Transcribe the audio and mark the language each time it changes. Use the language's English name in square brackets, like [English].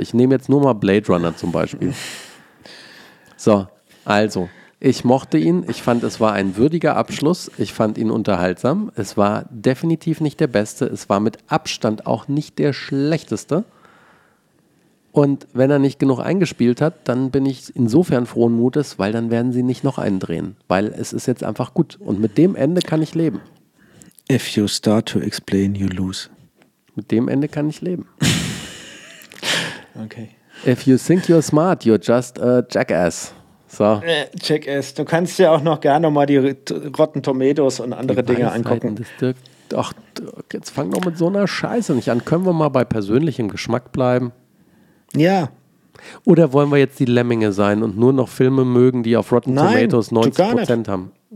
[German] Ich nehme jetzt nur mal Blade Runner zum Beispiel. So, also, ich mochte ihn, ich fand, es war ein würdiger Abschluss, ich fand ihn unterhaltsam. Es war definitiv nicht der Beste, es war mit Abstand auch nicht der Schlechteste. Und wenn er nicht genug eingespielt hat, dann bin ich insofern frohen Mutes, weil dann werden sie nicht noch einen drehen. Weil es ist jetzt einfach gut. Und mit dem Ende kann ich leben. [English] If you start to explain, you lose. [German] Mit dem Ende kann ich leben. Okay. [English] If you think you're smart, you're just a jackass. [German] So. Jackass. Du kannst dir auch noch gerne mal die Rotten Tomatoes und andere die Dinge angucken. Doch, jetzt fang doch mit so einer Scheiße nicht an. Können wir mal bei persönlichem Geschmack bleiben? Ja. Oder wollen wir jetzt die Lemminge sein und nur noch Filme mögen, die auf Rotten Tomatoes 90% haben?